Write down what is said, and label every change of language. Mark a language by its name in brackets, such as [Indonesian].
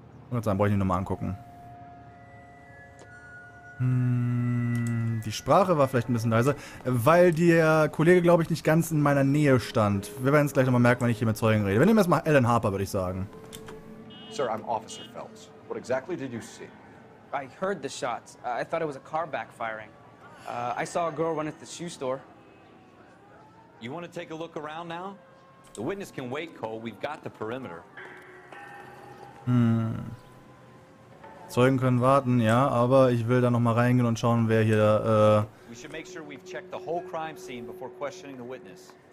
[German] Und dann brauche ich ihn nochmal angucken. Die Sprache war vielleicht ein bisschen leise, weil der Kollege, glaube ich, nicht ganz in meiner Nähe stand. Wir werden es gleich nochmal merken, wenn ich hier mit Zeugen rede. Wir nehmen erstmal Alan Harper, würde ich sagen. [English] Sir, I'm Officer Phelps. What exactly did you see? I heard the shots. I thought it was a car backfiring. I saw a girl run at the shoe store. You want to take a look around now? The witness can wait, Cole. We've got the perimeter. [German] Zeugen können warten, ja, aber ich will da noch mal reingehen und schauen, wer hier [English] We should make sure we've checked the whole crime scene before questioning the witness.